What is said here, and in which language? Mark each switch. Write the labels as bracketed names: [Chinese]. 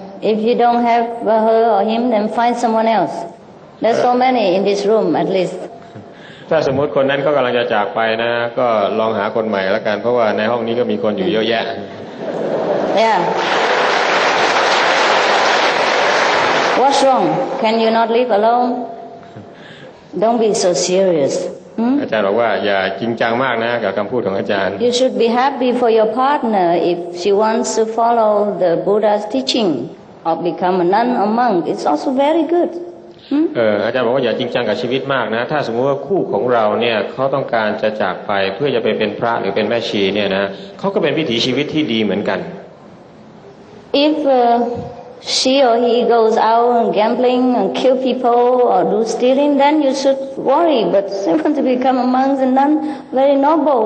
[English] If you don't have her or him, then find someone else. There's so many in this room, at least. [Thai] ถ้าสมมติคนนั้นก็กำลังจะจากไปนะก็ลองหาคนใหม่ละกันเพราะว่าในห้องนี้ก็มีคนอยู่เยอะแยะ [English] Yeah. What's wrong? Can you not live alone? Don't be so serious. [Thai] อาจารย์บอกว่าอย่าจริงจังมากนะกับคำพูดของอาจารย์ [English] You should be happy for your partner if she wants to follow the Buddha's teaching or become a nun or monk. It's also very good. [Thai] อาจารย์บอกว่าอย่าจริงจังกับชีวิตมากนะถ้าสมมติว่าคู่ของเราเนี่ยเขาต้องการจะจากไปเพื่อจะไปเป็นพระหรือเป็นแม่ชีเนี่ยนะเขาก็เป็นวิถีชีวิตที่ดีเหมือนกัน [English] If she or he goes out and gambling and kill people or do stealing, then you should worry. But simply to become a monk and nun, very noble.